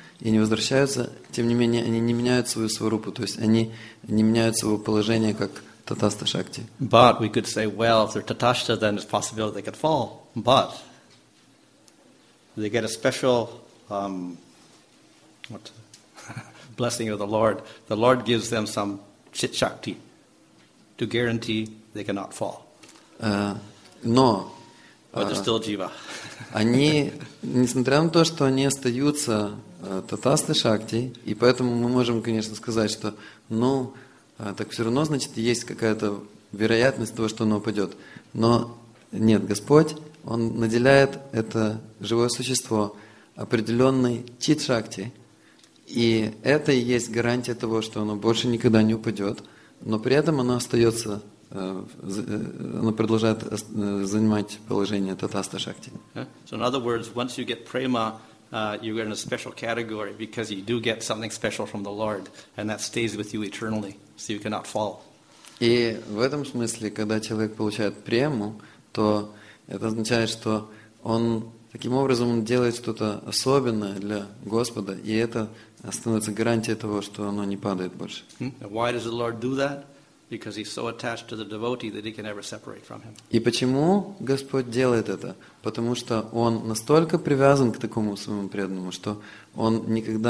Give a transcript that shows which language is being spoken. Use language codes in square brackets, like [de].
[ru] И не возвращаются, тем не менее, они не меняют свою сварупу, то есть они не меняют своего положения как татаста шакти. [en] But we could say, well, if they're татаста, then it's possible they could fall. But they get a special blessing of the Lord. The Lord gives them some chit shakti to guarantee they cannot fall. [ru] Но [en] they're still jiva. [ru] Они, несмотря на то, что они остаются татасты шакти, и поэтому мы можем, конечно, сказать, что, ну, так все равно, значит, есть какая-то вероятность того, что оно упадет. Но нет, Господь, Он наделяет это живое существо определенной чит-шакти, и это и есть гарантия того, что оно больше никогда не упадет, но при этом оно остается... Она продолжает занимать положение татаста шакти. [en] So in other words, once you get prema, you get in a special category because you do get something special from the Lord, and that stays with you eternally, so you cannot fall. [ru] И в этом смысле, когда человек получает прему, то это означает, что он таким образом делает что-то особенное для Господа, и это становится гарантией того, что оно не падает больше. [en] And why does the Lord do that? Because he's so attached to the devotee that he can never separate from him. [ru] И почему Господь делает это? Потому что он настолько привязан к такому своему преданному, что он никогда не позволит уже больше произойти разлуки.